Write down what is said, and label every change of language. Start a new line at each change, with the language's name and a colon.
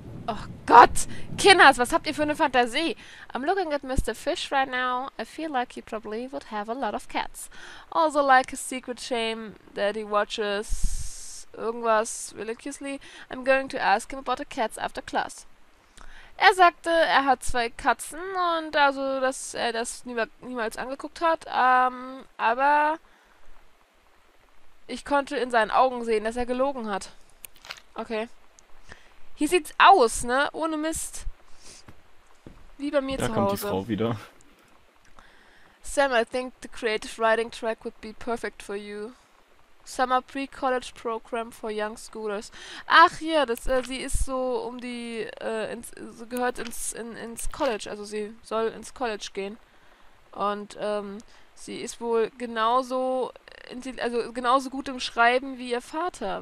German: Oh Gott! Kinders, was habt ihr für eine Fantasie?
English: I'm looking at Mr. Fish right now. I feel like he probably would have a lot of cats. Also like a secret shame that he watches irgendwas religiously. I'm going to ask him about the cats after class.
German: Er sagte, er hat 2 Katzen und also, dass er das niemals angeguckt hat. Aber ich konnte in seinen Augen sehen, dass er gelogen hat. Okay. Hier sieht's aus, ne? Ohne Mist. Wie bei mir da zu Hause. Da kommt die Frau wieder.
English: Sam, I think the creative writing track would be perfect for you. Summer pre-college program for young schoolers.
German: Ach ja, das, sie ist so um die, gehört ins College. Also sie soll ins College gehen. Und sie ist wohl genauso, also genauso gut im Schreiben wie ihr Vater.